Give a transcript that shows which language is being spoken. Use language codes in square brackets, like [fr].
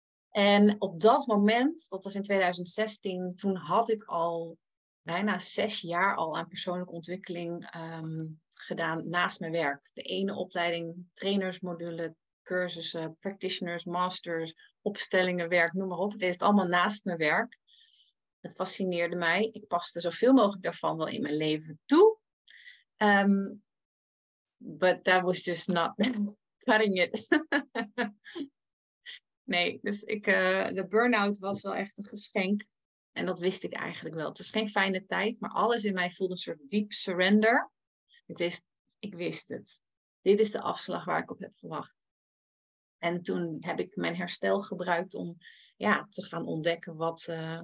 [nl] En op dat moment, dat was in 2016, toen had ik al bijna 6 jaar al aan persoonlijke ontwikkeling gedaan naast mijn werk. De ene opleiding, trainersmodule, cursussen, practitioners, masters, opstellingen, werk, noem maar op. Ik deed het allemaal naast mijn werk. Het fascineerde mij. Ik paste zoveel mogelijk daarvan wel in mijn leven toe. [en] But that was just not cutting it. [nl] Nee, dus de burn-out was wel echt een geschenk. En dat wist ik eigenlijk wel. Het is geen fijne tijd, maar alles in mij voelde een soort deep surrender. Ik wist het. Dit is de afslag waar ik op heb gewacht. En toen heb ik mijn herstel gebruikt om te gaan ontdekken wat...